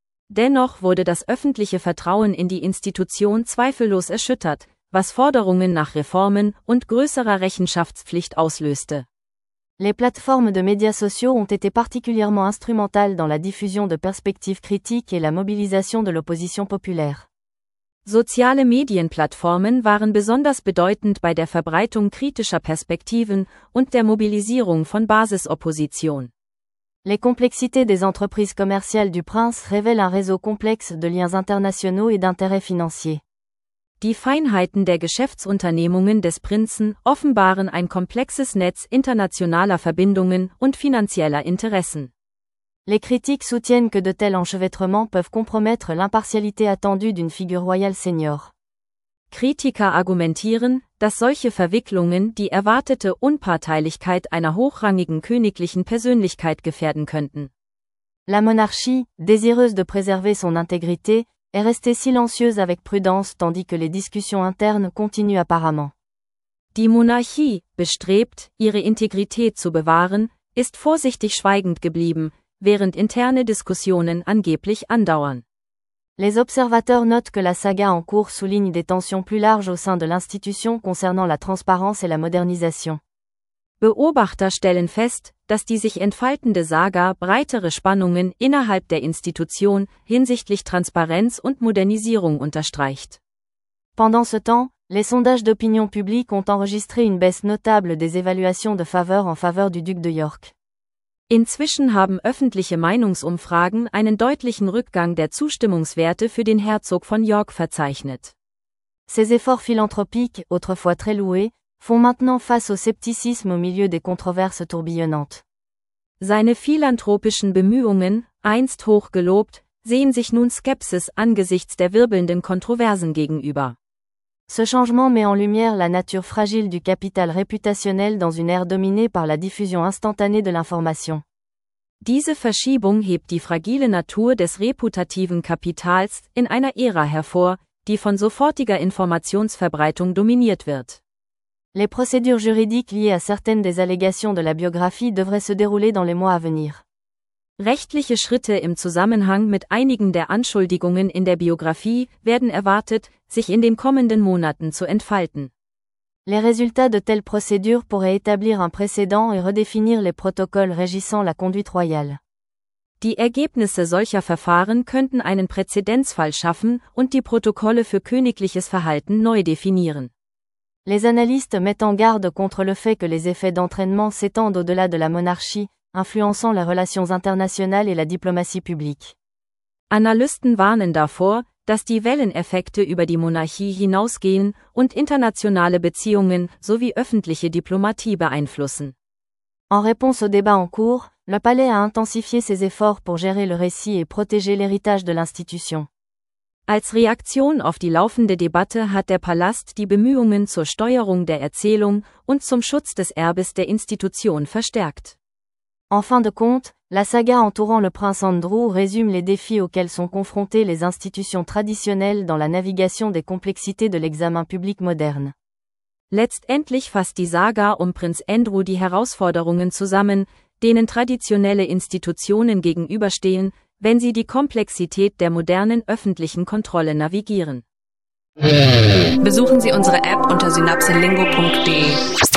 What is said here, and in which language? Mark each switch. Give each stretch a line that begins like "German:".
German: Dennoch wurde das öffentliche Vertrauen in die Institution zweifellos erschüttert, was Forderungen nach Reformen und größerer Rechenschaftspflicht auslöste.
French: Les plateformes de médias sociaux ont été particulièrement instrumentales dans la diffusion de perspectives critiques et la mobilisation de l'opposition populaire.
German: Soziale Medienplattformen waren besonders bedeutend bei der Verbreitung kritischer Perspektiven und der Mobilisierung von Basisopposition.
French: Les complexités des entreprises commerciales du prince révèlent un réseau complexe de liens internationaux et d'intérêts financiers.
German: Die Feinheiten der Geschäftsunternehmungen des Prinzen offenbaren ein komplexes Netz internationaler Verbindungen und finanzieller Interessen.
French: Les critiques soutiennent que de tels enchevêtrements peuvent compromettre l'impartialité attendue d'une figure royale senior.
German: Kritiker argumentieren, dass solche Verwicklungen die erwartete Unparteilichkeit einer hochrangigen königlichen Persönlichkeit gefährden könnten.
French: La monarchie, désireuse de préserver son intégrité, est restée silencieuse avec prudence tandis que les discussions internes continuent apparemment.
German: Die Monarchie, bestrebt, ihre Integrität zu bewahren, ist vorsichtig schweigend geblieben, während interne Diskussionen angeblich andauern.
French: Les observateurs notent que la saga en cours souligne des tensions plus larges au sein de l'institution concernant la transparence et la modernisation.
German: Beobachter stellen fest, dass die sich entfaltende Saga breitere Spannungen innerhalb der Institution hinsichtlich Transparenz und Modernisierung unterstreicht.
French: Pendant ce temps, les sondages d'opinion publique ont enregistré une baisse notable des évaluations de faveur en faveur du duc de York.
German: Inzwischen haben öffentliche Meinungsumfragen einen deutlichen Rückgang der Zustimmungswerte für den Herzog von York verzeichnet.
French: Ses efforts philanthropiques, autrefois très loués, font maintenant face au scepticisme au milieu des controverses tourbillonnantes.
German: Seine philanthropischen Bemühungen, einst hoch gelobt, sehen sich nun Skepsis angesichts der wirbelnden Kontroversen gegenüber.
French: Ce changement met en lumière la nature fragile du capital réputationnel dans une ère dominée par la diffusion instantanée de l'information.
German: Diese Verschiebung hebt die fragile Natur des reputativen Kapitals in einer Ära hervor, die von sofortiger Informationsverbreitung dominiert wird.
French: Les procédures juridiques liées à certaines des allégations de la biographie devraient se dérouler dans les mois à venir.
German: Rechtliche Schritte im Zusammenhang mit einigen der Anschuldigungen in der Biografie werden erwartet, sich in den kommenden Monaten zu entfalten.
French: Les résultats de telles procédures pourraient établir un précédent et redéfinir les protocoles régissant la conduite royale.
German: Die Ergebnisse solcher Verfahren könnten einen Präzedenzfall schaffen und die Protokolle für königliches Verhalten neu definieren.
French: Les analystes mettent en garde contre le fait que les effets d'entraînement s'étendent au-delà de la monarchie, influençant les relations internationales et la diplomatie publique.
German: Analysten warnen davor, dass die Welleneffekte über die Monarchie hinausgehen und internationale Beziehungen sowie öffentliche Diplomatie beeinflussen.
French: En réponse au débat en cours, le palais a intensifié ses efforts pour gérer le récit et protéger l'héritage de l'institution.
German: Als Reaktion auf die laufende Debatte hat der Palast die Bemühungen zur Steuerung der Erzählung und zum Schutz des Erbes der Institution verstärkt.
French: En fin de compte, la saga entourant le prince Andrew résume les défis auxquels sont confrontées les institutions traditionnelles dans la navigation des complexités de l'examen public moderne.
German: Letztendlich fasst die Saga um Prinz Andrew die Herausforderungen zusammen, denen traditionelle Institutionen gegenüberstehen, wenn sie die Komplexität der modernen öffentlichen Kontrolle navigieren. Besuchen Sie unsere App unter synapselingo.de.